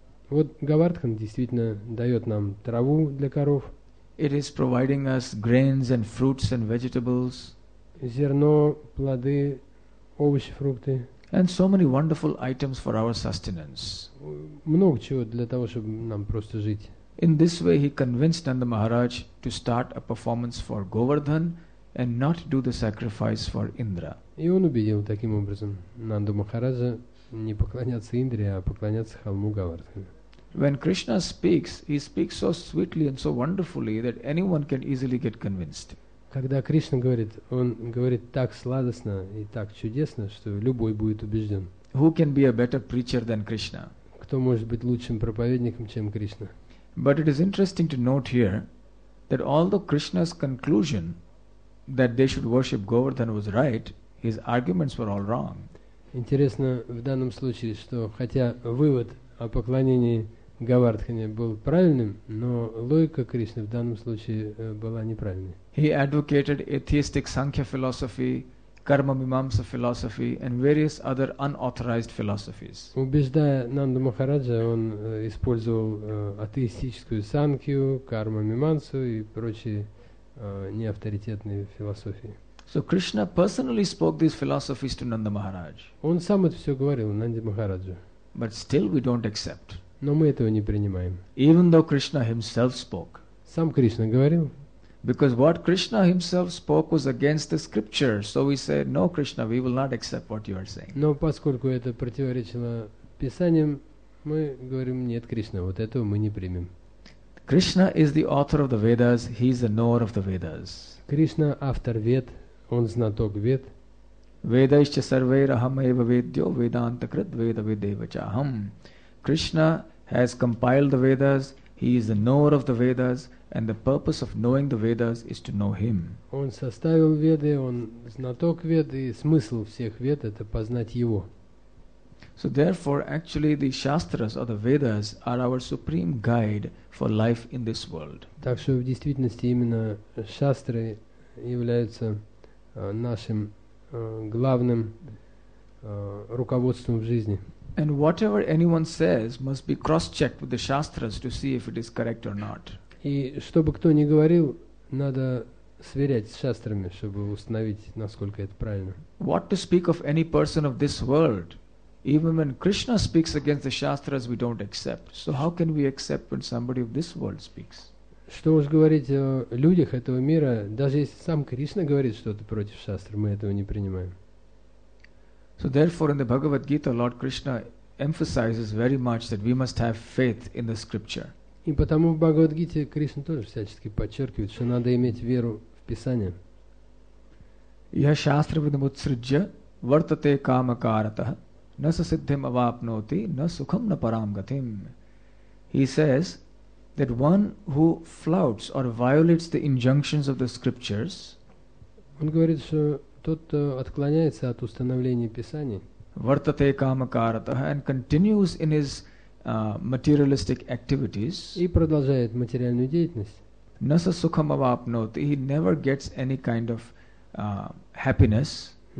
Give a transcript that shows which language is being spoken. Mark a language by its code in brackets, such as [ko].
[ru] Вот Говардхан действительно дает нам траву для коров. [en] It is providing us grains and fruits and vegetables. [ru] Зерно, плоды, овощи, фрукты. [en] And so many wonderful items for our sustenance. [ru] Много чего для того, чтобы нам просто жить. [en] In this way, he convinced Nanda Maharaj to start a performance for Govardhan and not do the sacrifice for Indra. [ru] И он убедил таким образом Нанду Махараджа не поклоняться Индре, а поклоняться холму Говардхан. [en] When Krishna speaks, he speaks so sweetly and so wonderfully that anyone can easily get convinced. [ru] Когда Кришна говорит, он говорит так сладостно и так чудесно, что любой будет убежден. [en] Who can be a better preacher than Krishna? [ru] Кто может быть лучшим проповедником, чем Кришна? [en] But it is interesting to note here that although Krishna's conclusion that they should worship Govardhan was right, his arguments were all wrong. [ru] Интересно в данном случае, что хотя вывод о поклонении Говардхане был правильным, но логика Кришны в данном случае была неправильной. [en] He advocated atheistic Sankhya philosophy, Karma Mimamsa philosophy and various other unauthorized philosophies. [ru] Убеждая Нанду Махараджа, он использовал атеистическую Сангхью, Карма Мимамсу и прочие неавторитетные философии. [en] So Krishna personally spoke these philosophies to Nanda Maharaj. [ru] Он сам это все говорил Нанде Махараджу. [en] But still we don't accept. [ru] Но мы этого не принимаем. [en] Even though Krishna himself spoke. [ru] Сам Кришна говорил. [en] Because what Krishna himself spoke was against the scripture, so we say, no, Krishna, we will not accept what you are saying. [ru] Но поскольку это противоречило Писаниям, мы говорим, нет, Кришна, вот этого мы не примем. [en] Krishna is the author of the Vedas, he is the knower of the Vedas. [ru] Кришна автор Вед, он знаток Вед. [sa] Vedaischa sarvairahameva vedyo vedantakrit veda vedevachaham. [en] Krishna has compiled the Vedas, he is the knower of the Vedas, and the purpose of knowing the Vedas is to know him. [ru] Он составил Веды, он знаток Вед, и смысл всех Вед это познать его. [en] So therefore actually the Shastras or the Vedas are our supreme guide for life in this world. [ru] Так что в действительности именно Шастры являются нашим главным руководством в жизни. [en] And whatever anyone says must be cross-checked with the Shastras to see if it is correct or not. [ru] И что бы кто ни говорил, надо сверять с шастрами, чтобы установить, насколько это правильно. [en] What to speak of any person of this world? Even when Krishna speaks against the Shastras, we don't accept. So how can we accept when somebody of this world speaks? [ru] Что уж говорить о людях этого мира, даже если сам Кришна говорит что-то против шастр, мы этого не принимаем. [en] So therefore in the Bhagavad Gita, Lord Krishna emphasizes very much that we must have faith in the scripture. [ru] И потому в Бхагавад-гите Кришна тоже всячески подчеркивает, что надо иметь веру в Писание. [sa] Я шастра видамутсриджа вартате кама каратах на сасиддхим авапноти на сукхам на парамгатим. [en] He says that one who flouts or violates the injunctions of the scriptures, [ru] он говорит, что тот, кто отклоняется от установления Писания, [sa] вартате кама каратах [en] and continues in his materialistic activities, [ru] и продолжает материальную деятельность, [sa] наса сукхам авапноти, [en] he never gets any kind of happiness,